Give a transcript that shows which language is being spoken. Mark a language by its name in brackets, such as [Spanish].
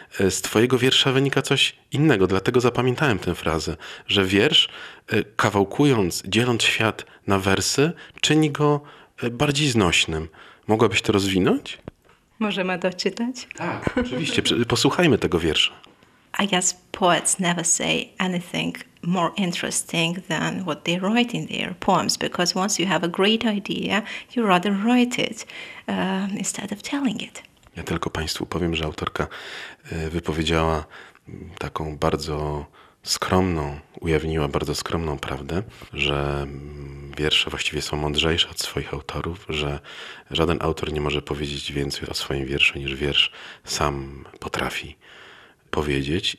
[Polish] Z twojego wiersza wynika coś innego, dlatego zapamiętałem tę frazę, że wiersz, kawałkując, dzieląc świat na wersy, czyni go bardziej znośnym. Mogłabyś to rozwinąć? Możemy to czytać? Tak, oczywiście. Posłuchajmy tego wiersza. [English] I guess poets never say anything more interesting than what they write in their poems, because once you have a great idea, you rather write it instead of telling it. [Polish] Ja tylko Państwu powiem, że autorka wypowiedziała taką bardzo skromną, ujawniła bardzo skromną prawdę, że wiersze właściwie są mądrzejsze od swoich autorów, że żaden autor nie może powiedzieć więcej o swoim wierszu, niż wiersz sam potrafi powiedzieć.